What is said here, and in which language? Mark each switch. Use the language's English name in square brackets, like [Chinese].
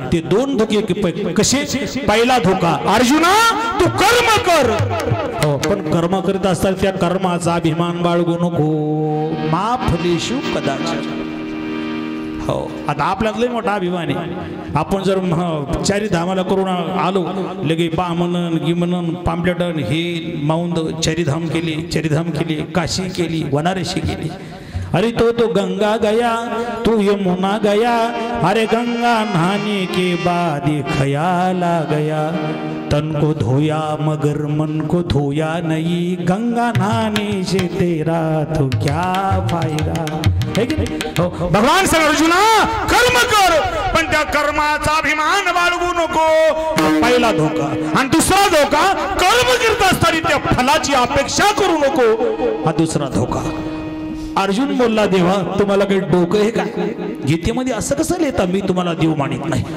[Marathi] ते दोन धोके कसे? पहिला धोका अर्जुना तू कर्म कर, पण कर्म करीत असताना त्या कर्माचा अभिमान बाळगू नको, माफ देशू कदाचित. आता आपल्यात लय मोठा अभिमान आहे. आपण जर चारिधामाला करून आलो, लगे बामनन गिमनन पांपलेटन हे माउंद चारिधाम केली, काशी केली, वनारशी केली. [Hindi] अरे तो तो गंगा गया, तू यमुना गया, अरे गंगा नहाने के बाद खयाला गया, तन को धोया मगर मन को धोया नहीं, गंगा नहाने से तेरा तो क्या फायदा. [Marathi] भगवान सर अर्जुना कर्म कर, पण त्या कर्माचा अभिमान बाळगू नको, पहिला धोका. आणि दुसरा धोका, कर्म करत असताना त्या फलाची अपेक्षा करू नको, हा दुसरा धोका. अर्जुन बोलला, देवा तुम्हाला काही डोकं आहे का? गीतेमध्ये असं कसं लिहिता, मी तुम्हाला देव मानित नाही.